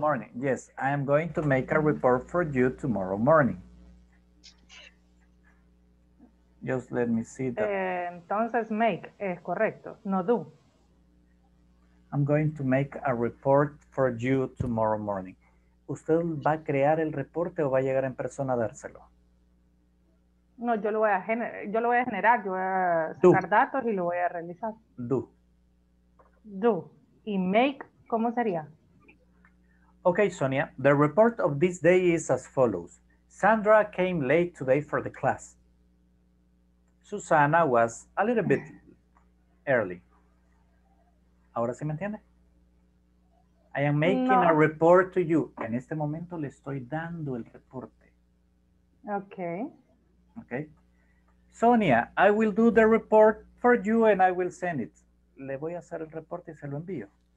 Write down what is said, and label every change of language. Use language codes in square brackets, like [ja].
[en] Tomorrow morning. Yes, I am going to make a report for you tomorrow morning. Just let me see that. [es] Entonces, make es correcto. No do. [en] I'm going to make a report for you tomorrow morning. [es] ¿Usted va a crear el reporte o va a llegar en persona a dárselo? No, yo lo voy a generar. Yo voy a sacar datos y lo voy a realizar. [en] Do. [es] Do. ¿Y make cómo sería? [en] Okay, Sonia. The report of this day is as follows. Sandra came late today for the class. Susana was a little bit early. [es] ¿Ahora sí me entiende? [en] I am making a report to you. [es] En este momento le estoy dando el reporte. [en] Okay. Okay. Sonia, I will do the report for you and I will send it. [es] Le voy a hacer el reporte y se lo envío.